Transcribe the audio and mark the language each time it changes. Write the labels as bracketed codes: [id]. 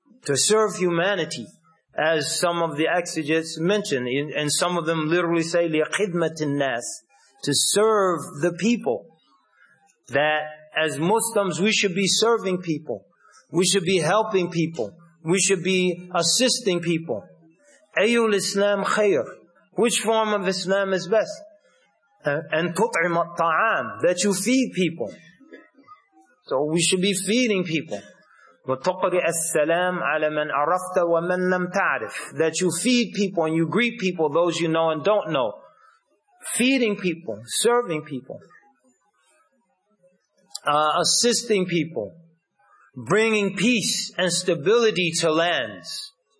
[en] To serve humanity. As some of the exegetes mention, and some of them literally say, [ar] لِخِدْمَةِ النَّاسِ. [en] To serve the people. That as Muslims, we should be serving people. We should be helping people. We should be assisting people. [ar] أَيُّ الْإِسْلَامِ خَيْرٍ. [en] Which form of Islam is best? And [ar] تُطْعِمَ الطَّعَامِ. [en] That you feed people. So we should be feeding people. [ar] وَتُقْرِئَ السَّلَامِ عَلَى مَنْ عَرَفْتَ وَمَنْ لَمْ تَعْرِفْ. [en] That you feed people and you greet people, those you know and don't know. Feeding people, serving people, assisting people, bringing peace and stability to lands.